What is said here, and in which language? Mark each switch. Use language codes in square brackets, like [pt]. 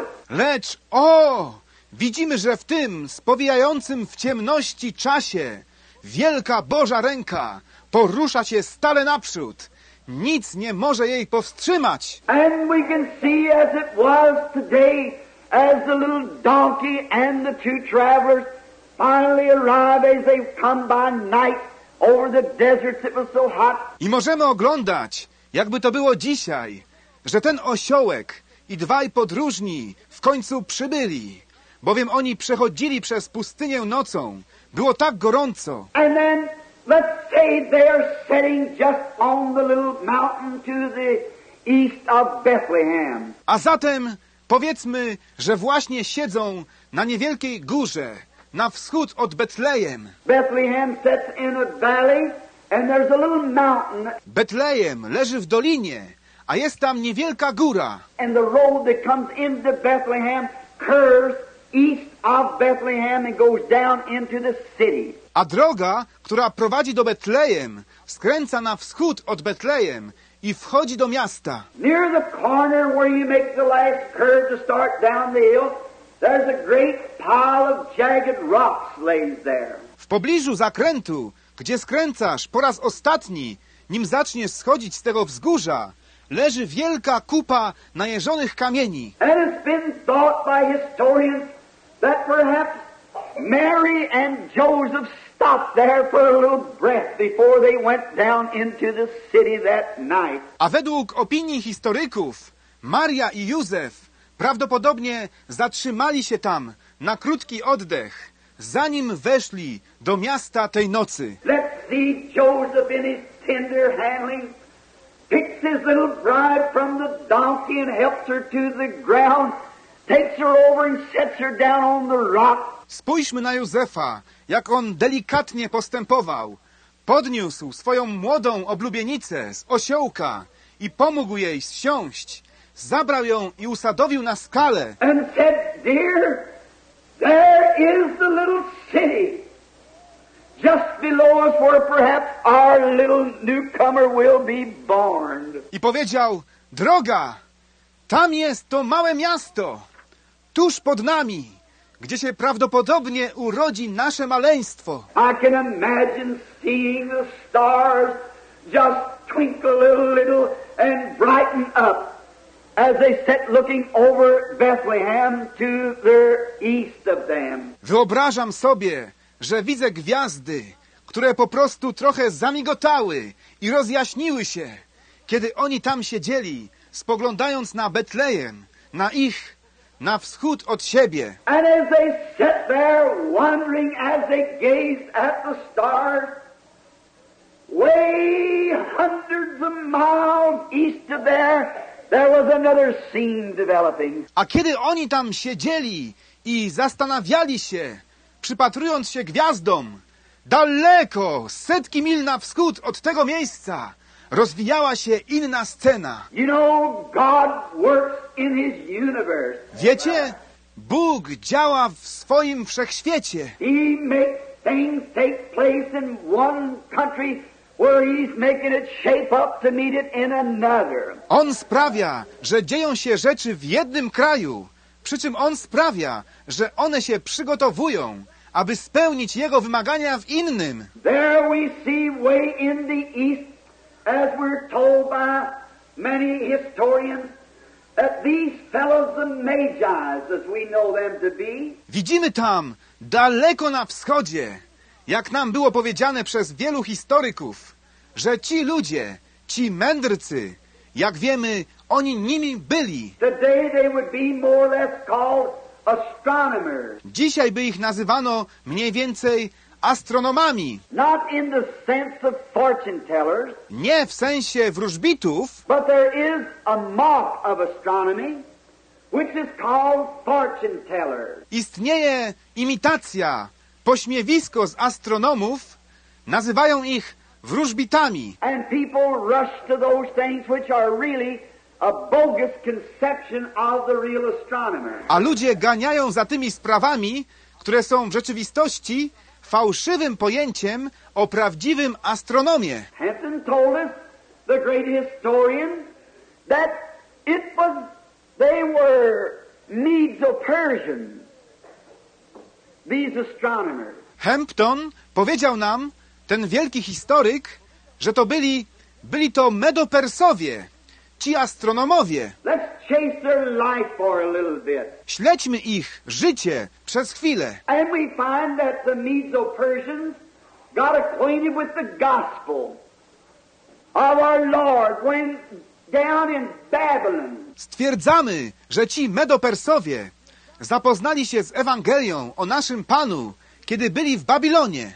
[pl] Lecz, o, widzimy, że w tym spowijającym w ciemności czasie wielka Boża ręka porusza się stale naprzód. Nic nie może jej powstrzymać. [en] And we can see as it was today, as the little donkey and the two travelers finally arrive as they come by night over the desert that was so hot. [pl] I możemy oglądać, jakby to było dzisiaj, że ten osiołek i dwaj podróżni w końcu przybyli, bowiem oni przechodzili przez pustynię nocą. Było tak gorąco. [en] And then, let's say they're sitting just on the little mountain to the east of Bethlehem. [pl] A zatem powiedzmy, że właśnie siedzą na niewielkiej górze, na wschód od Betlejem. [en] Bethlehem sits in a valley and there's a little mountain. [pl] Betlejem leży w dolinie, a jest tam niewielka góra. [en] And the road that comes into Bethlehem curves east of Bethlehem and goes down into the city. [pl] A droga, która prowadzi do Betlejem, skręca na wschód od Betlejem i wchodzi do miasta. [en] Near the corner where you make the last curve to start down the hill, there's a great pile of jagged rocks lays there. [pl] W pobliżu zakrętu, gdzie skręcasz po raz ostatni, nim zaczniesz schodzić z tego wzgórza, leży wielka kupa najeżonych kamieni. [en] And it's been thought by historians that perhaps Mary and Joseph stopped there for a little breath before they went down into the city that night. [pl] A według opinii historyków, Maria i Józef prawdopodobnie zatrzymali się tam na krótki oddech, zanim weszli do miasta tej nocy. [en] Let's see Joseph in his tender handling, picks his little bride from the donkey and helps her to the ground, takes her over and sets her down on the rock. [pl] Spójrzmy na Józefa, jak on delikatnie postępował. Podniósł swoją młodą oblubienicę z osiołka i pomógł jej zsiąść. Zabrał ją i usadowił na skalę. [en] And said, dear, there is the little city just below us where perhaps our little newcomer will be born. [pl] I powiedział, droga, Tam jest to małe miasto, tuż pod nami, gdzie się prawdopodobnie urodzi nasze maleństwo. [en] I can imagine seeing the stars just twinkle a little and brighten up as they sit looking over Bethlehem to their east of them. [pl] Wyobrażam sobie, że widzę gwiazdy, które po prostu trochę zamigotały i rozjaśniły się, kiedy oni tam siedzieli, spoglądając na Betlejem, na ich, na wschód od siebie. [en] And as they sat there wondering, as they gazed at the stars, way hundreds of miles east of there, there was another scene developing. [pl] A kiedy oni tam siedzieli i zastanawiali się, przypatrując się gwiazdom, daleko, setki mil na wschód od tego miejsca, rozwijała się inna scena. [en] You know, God works in his universe. [pl] Wiecie, Bóg działa w swoim wszechświecie. [en] He makes things take place in one country where he's making it shape up to meet it in another. [pl] On sprawia, że dzieją się rzeczy w jednym kraju, przy czym on sprawia, że one się przygotowują, aby spełnić jego wymagania w innym. [en] There we see way in the east, as we're told by many historians, that these fellows, the Magi, as we know them to be. [pl] Widzimy tam, daleko na wschodzie, jak nam było powiedziane przez wielu historyków, że ci ludzie, ci mędrcy, jak wiemy, oni nimi byli. [en] Today they would be more or less called astronomers. [pl] Dzisiaj by ich nazywano mniej więcej astronomami. [en] Not in the sense of fortune tellers, [pl] nie w sensie wróżbitów, [en] but there is a mock of astronomy, which is called fortune tellers. [pl] Istnieje imitacja, pośmiewisko z astronomów, nazywają ich wróżbitami. [en] And people rush to those things which are really a bogus conception of the real astronomer. [pl] A ludzie ganiają za tymi sprawami, które są w rzeczywistości fałszywym pojęciem o prawdziwym astronomie. [en] Hansen told us, the great historian, that it was, they were Medo-Persians, these astronomers. [pl] Hampton powiedział nam, ten wielki historyk, że to byli to Medo-Persowie, ci astronomowie. [en] Let's chase their life for a little bit. [pl] Śledźmy ich życie przez chwilę. [en] And we find that the Medo-Persians got acquainted with the gospel of our Lord when down in Babylon. [pl] Stwierdzamy, że ci Medo-Persowie zapoznali się z Ewangelią o naszym Panu, kiedy byli w Babilonie.